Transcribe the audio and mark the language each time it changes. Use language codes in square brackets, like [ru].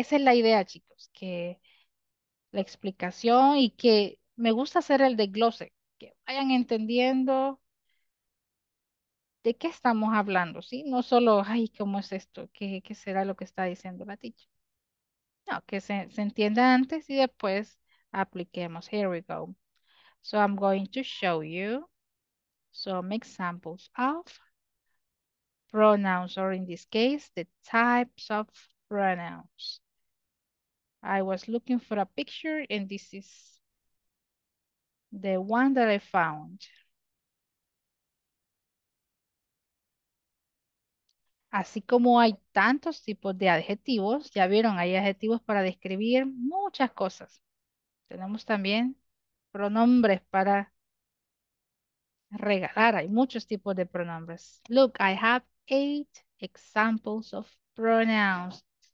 [es] Esa es la idea, chicos, que la explicación y que me gusta hacer el desglose, que vayan entendiendo de qué estamos hablando, ¿sí? No solo, ay, ¿cómo es esto? ¿Qué será lo que está diciendo la teacher? No, que se entienda antes y después apliquemos. [en] Here we go. So I'm going to show you some examples of pronouns, or in this case, the types of pronouns. I was looking for a picture, and this is the one that I found. [es] Así como hay tantos tipos de adjetivos, ya vieron, hay adjetivos para describir muchas cosas. Tenemos también pronombres para regalar. Hay muchos tipos de pronombres. [en] Look, I have 8 examples of pronouns.